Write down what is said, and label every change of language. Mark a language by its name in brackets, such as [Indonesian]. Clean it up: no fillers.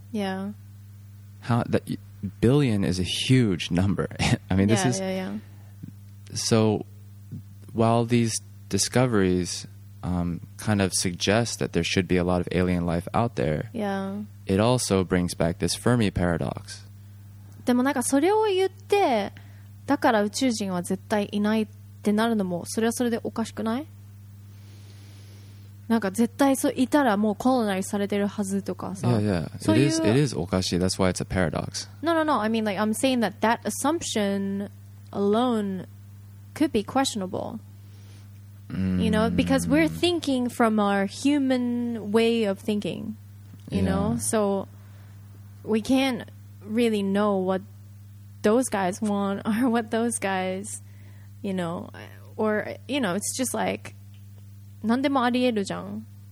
[English] Yeah. How that billion is a huge number. I mean, this yeah, is yeah, yeah. So while these discoveries kind of suggest that there should be a lot of alien life out there, yeah, it also brings back this Fermi paradox. [Japanese] でもなんかそれを言って、だから宇宙人は絶対いないってなるのもそれはそれでおかしくない？なんか絶対そういたらもうコロナイズされてるはずとかさ。 [English] Yeah, yeah. It is, it is [Japanese] おかしい。 [English] That's why it's a paradox. No. I mean, like, I'm saying that that assumption alone could be questionable. You know, because we're thinking from our human way of thinking, you yeah. know? So we can't really know what those guys want or what those guys, you know, or, you know, it's just like, [Japanese] 何でもありえるじゃん。